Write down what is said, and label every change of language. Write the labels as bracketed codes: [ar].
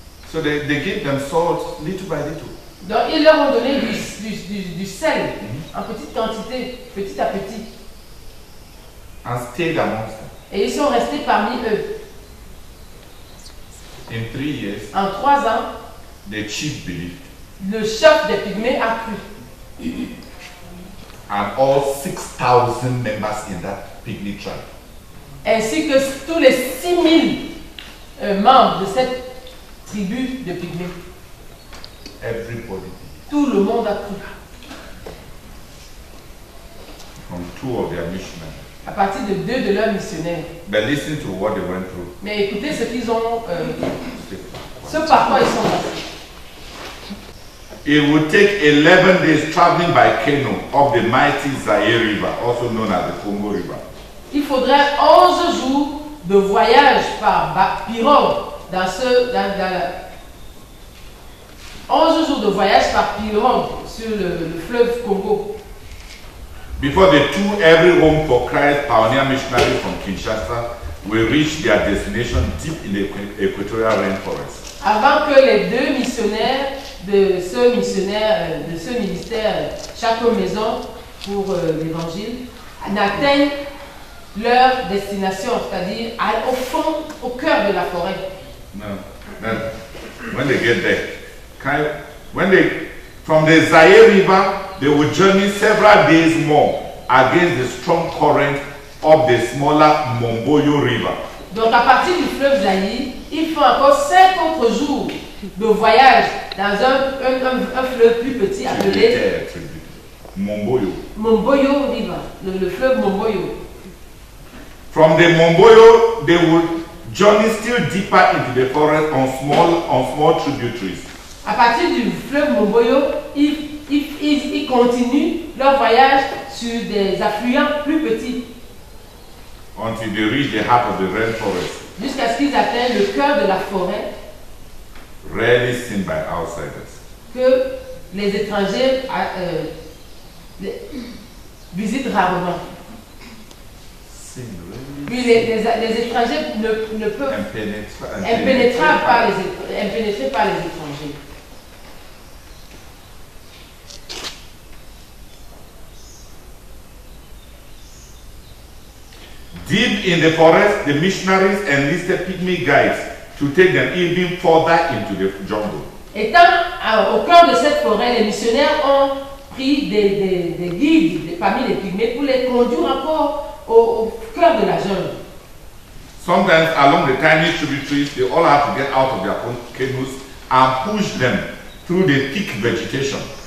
[en] So they give them salt little by little. [fr] Donc ils leur ont donné du sel, mm-hmm, en petite quantité, petit à petit. [en] And stayed amongst them. [fr] Et ils sont restés parmi eux. [en] In 3 years. [fr] En 3 ans. [en] The chief believed. [fr] Le chef des pygmées a cru. [en] And all 6,000 members in that pygmy tribe. [fr] Ainsi que tous les 6,000 membres de cette tribu de pygmées. [en] Everybody. [fr] Tout le monde a cru. [en] From two of their missionaries. [fr] À partir de 2 de leurs missionnaires. [en] But listen to what they went through. [fr] Mais écoutez ce qu'ils ont. Ce par quoi ils sont passés. [en] It would take 11 days traveling by canoe up the mighty Zaire River, also known as the Congo River. [fr] Il faudrait 11 jours de voyage par pirogue dans ce. 11 jours de voyage par pirogue sur le fleuve Congo. [en] Before they tour every home for Christ, pioneer missionaries from Kinshasa will reach their destination deep in the equatorial rainforest. [fr] Avant que les deux missionnaires de ce ministère, chaque maison pour l'Évangile, n'atteignent leur destination, c'est-à-dire au fond, au cœur de la forêt. Non. [en] When they get there, from the Zaire River, they will journey several days more against the strong current of the smaller Momboyo River. [fr] Donc à partir du fleuve Zaire, il faut encore 5 autres jours de voyage dans un fleuve plus petit appelé Momboyo. Momboyo River, le fleuve Momboyo. [en] From the Momboyo, they would journey still deeper into the forest on small tributaries. [fr] À partir du fleuve Momboyo, ils continuent leur voyage sur des affluents plus petits. [en] Until they reach the heart of the rainforest. [fr] Jusqu'à ce qu'ils atteignent le cœur de la forêt. [en] Rarely seen by outsiders. [fr] Que les étrangers visitent rarement. Puis les étrangers ne peuvent impénétrables par les étrangers. [en] Deep in the forest, the missionaries enlisted pygmy guides to take them even further into the jungle. [fr] Étant au cœur de cette forêt, les missionnaires ont pris des guides parmi les pygmées pour les conduire encore au cœur de la jungle. [en] Sometimes along the tiny tributaries, they all have to get out of their canoes and push them through the thick vegetation.